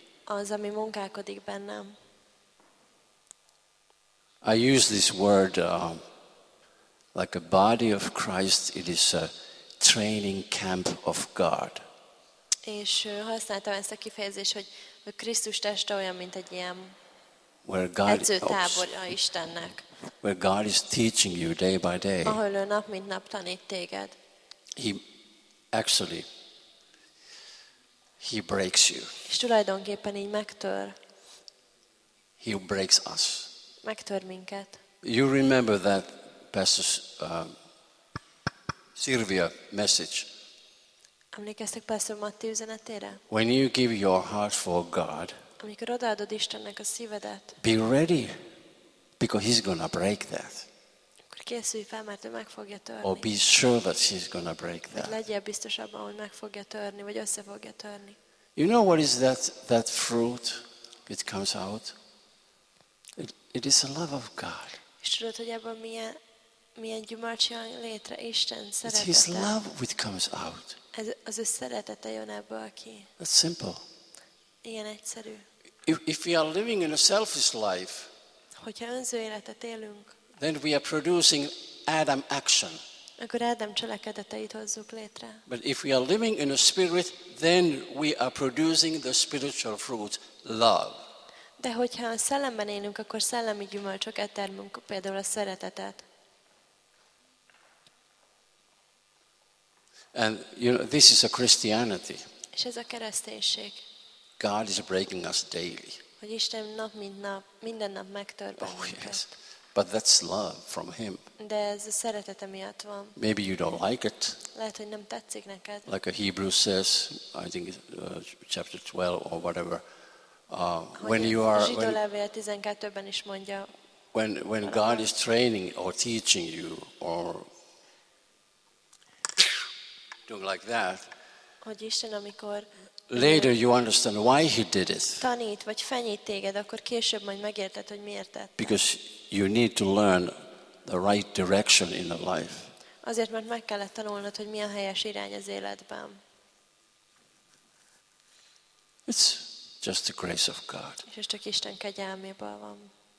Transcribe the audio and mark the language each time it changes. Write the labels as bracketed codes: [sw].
[hu] Az, ami munkálkodik bennem. [en] I use this word like a body of Christ. It is a training camp of God. [hu] És használtam ezt a kifejezést, hogy a Krisztus teste olyan, mint egy ilyen edzőtábor a Istennek. [en] Where God is teaching you day by day. [hu] Ahol ő nap mint nap tanít téged. [en] He breaks you. [hu] És tulajdonképpen így megtör. [en] He breaks us. [hu] Megtör minket. [en] You remember that Pastor Sylvia message? [hu] Emlékeztek Pastor Matti üzenetére? [en] When you give your heart for God, [hu] amikor odaadod Istennek a szívedet, [en] be ready, because he's gonna break that. [hu] Készülj fel, mert ő meg fogja törni. [en] Or be sure that she's gonna break that. [hu] Legyél biztos abban, hogy meg fogja törni, vagy össze fogja törni. [en] You know what is that fruit? It comes out. It is the love of God. [hu] És tudod, hogy ebben milyen gyümölcs jön létre, Isten szeretete. [en] It's His love which comes out. [hu] Az ő szeretete jön ebből ki. [en] That's simple. [hu] Ilyen egyszerű. [en] If we are living in a selfish life, [hu] hogyha önző életet élünk, [en] then we are producing Adam action. [hu] Akkor Adam cselekedeteit hozzuk létre. [en] But if we are living in a spirit, then we are producing the spiritual fruit, love. [hu] De hogyha a szellemben élünk, akkor szellemi gyümölcsöket termünk, például a szeretetet. [en] And you know, this is a Christianity. [hu] És ez a kereszténység. [en] God is breaking us daily. [hu] Hogy Isten nap mint nap, minden nap megtör bennünket. [en] Oh, yes. But that's love from him. [hu] De ez a szeretete miatt van. [en] Maybe you don't like it. [hu] Lehet, hogy nem tetszik neked. [en] Like a Hebrew says, I think it's chapter 12 or whatever. When you are when God is training or teaching you or doing like that. [hu] Hogy Isten, amikor [en] later you understand why he did it. [hu] Tanít, vagy fenyít téged, akkor később majd megérted, hogy miért tett. [en] Because you need to learn the right direction in the life. [hu] Azért, mert meg kellett tanulnod, hogy mi a helyes irány az életben. [en] It's just the grace of God. [hu] És csak Isten kegyelméből van.